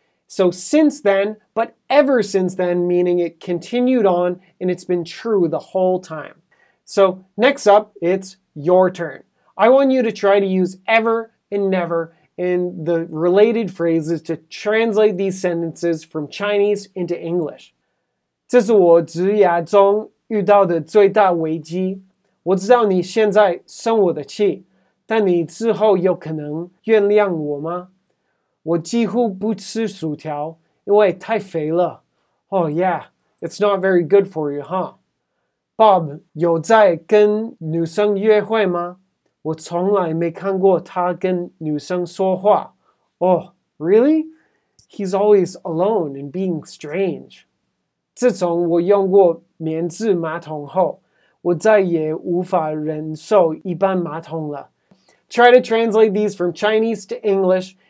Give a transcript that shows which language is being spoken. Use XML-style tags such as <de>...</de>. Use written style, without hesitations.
<en>So since then, but ever since then, meaning it continued on and it's been true the whole time. So next up, it's your turn. I want you to try to use ever and never and the related phrases to translate these sentences from Chinese into English.</en> <zh>这是我职涯中遇到的最大危机。我知道你现在生我的气，但你之后有可能原谅我吗？我几乎不吃薯条，因为太肥了。</zh> <en>Oh yeah, it's not very good for you, huh?</en> <zh>Bob 有在跟女生约会吗？我从来没看过他跟女生说话。</zh> <en>Oh, really? He's always alone and being strange.</en> <zh>自从我用过棉质马桶后，我再也无法忍受一般马桶了。</zh> <en>Try to translate these from Chinese to English and leave a message in our Facebook group. Okay, I'll see you next time.</en>